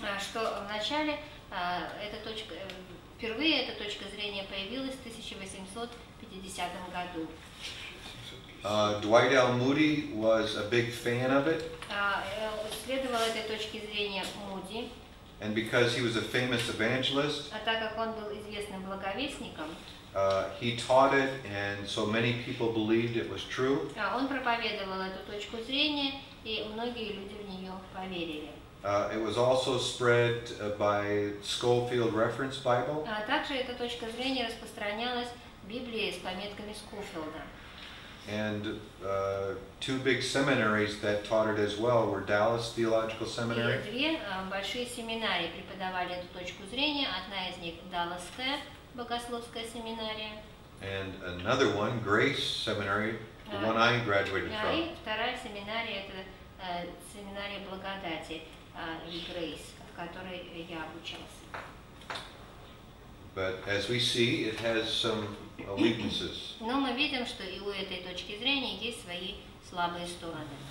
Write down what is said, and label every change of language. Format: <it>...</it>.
<ru>Что в начале эта точка впервые эта точка зрения появилась в 1850 году.</ru> <en>Dwight L. Moody was a big fan of it.</en> <ru>Следовал этой точке зрения Moody.</ru> <en>And because he was a famous evangelist.</en> <ru>А так как он был известным благовестником.</ru> <en>He taught it, and so many people believed it was true.</en> <ru>Он проповедовал эту точку зрения, и многие люди в нее поверили.</ru> <en>It was also spread by Schofield Reference Bible.</en> <ru>Также эта точка зрения распространялась Библией с пометками Скофилда.</ru> <en>And two big seminaries that taught it as well were Dallas Theological Seminary.</en> <ru>Две большие семинарии преподавали эту точку зрения. Одна из них Далласская. Богословская семинария.</ru> <en>And another one, Grace Seminary, the one I graduated from.</en> <ru>И вторая семинария это семинария благодати или Grace, в которой я обучался.</ru> <en>But as we see, it has some weaknesses.</en> <ru>Но мы видим, что и у этой точки зрения есть свои слабые стороны.</ru>